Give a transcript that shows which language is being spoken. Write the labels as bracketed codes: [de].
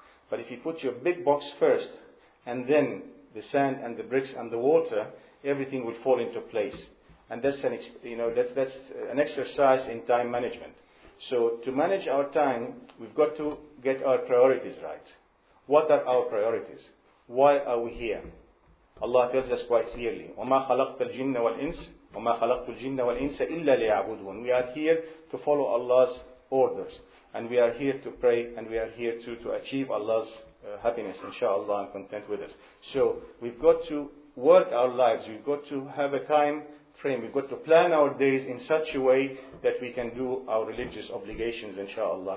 [en] But if you put your big box first, and then the sand and the bricks and the water, everything will fall into place. And that's an exercise in time management. So to manage our time, we've got to get our priorities right. What are our priorities? Why are we here? Allah tells us quite clearly, [ar] وَمَا خَلَقْتَ الْجِنَّ وَالْإِنسَ وَمَا خَلَقْتُ الْجِنَّ وَالْإِنسَ إِلَّا لِيَعْبُدُونَ. [en] We are here to follow Allah's orders. And we are here to pray, and we are here to achieve Allah's happiness, inshallah, and content with us. So we've got to work our lives. We've got to have a time frame. We've got to plan our days in such a way that we can do our religious obligations, inshallah.